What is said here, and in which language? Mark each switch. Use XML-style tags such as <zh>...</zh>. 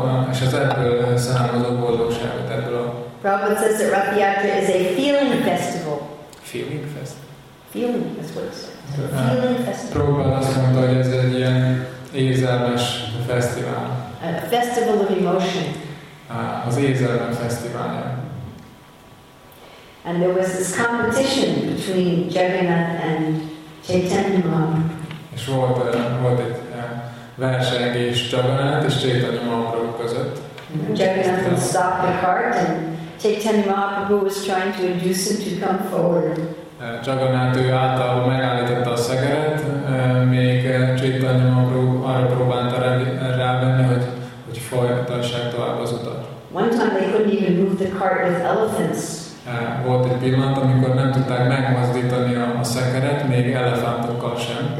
<hu>És az ebből származó boldogságot, ebből a...</hu> <en>Prabhupada says that Rathyatra is a feeling festival. Feeling festival? Feeling, that's what it says. A feeling festival.</en> <hu>Prabhupada azt mondta, hogy ez egy ilyen érzelmes fesztivál.</hu> <en>A festival of emotion.</en> <hu>Az érzelmes fesztiválja.</hu> <en>And there was this competition between Jagannath and Chaitanya Mahaprabhu.</en> <hu>És volt egy versengés Jagannath és Chaitanya Mahaprabhu között.</hu> <en>Jagannath would stop the cart and Chaitanya Mahaprabhu was trying to induce him to come forward.</en> <hu>Jagannath ő által megállította a szegeret, még Chaitanya Mahaprabhu arra próbálta rávenni, hogy folytassák tovább az utat.</hu> <en>One time they couldn't even move the cart with elephants.</en> <hu>Volt egy pillanat, amikor nem tudták megmozdítani a szekeret, még elefántokkal sem.</hu>